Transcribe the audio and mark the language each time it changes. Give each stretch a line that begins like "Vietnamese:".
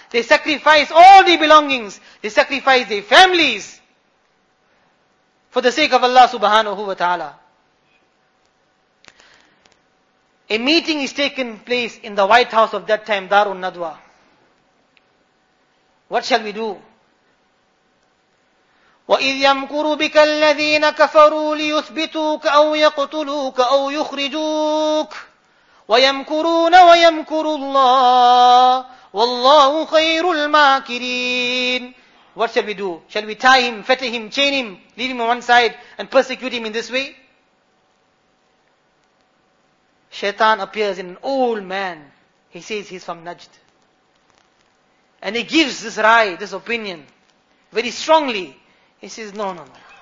English: They sacrifice all their belongings. They sacrifice their families for the sake of Allah subhanahu wa ta'ala. A meeting is taken place in the White House of that time, Darun Nadwa. What shall we do?
Arabic: وَإِذْ يَمْكُرُ بِكَ الَّذِينَ كَفَرُوا لِيُثْبِتُوكَ أَوْ يَقْتُلُوكَ أَوْ يُخْرِجُوكَ وَيَمْكُرُونَ وَيَمْكُرُ اللَّهُ وَاللَّهُ خَيْرُ الْمَاكِرِينَ.
English: What shall we do? Shall we tie him, fetter him, chain him, leave him on one side and persecute him in this way? Shaitan appears in an old man. He says he's from Najd. And he gives this rai, this opinion, very strongly. He says, "No, no, no.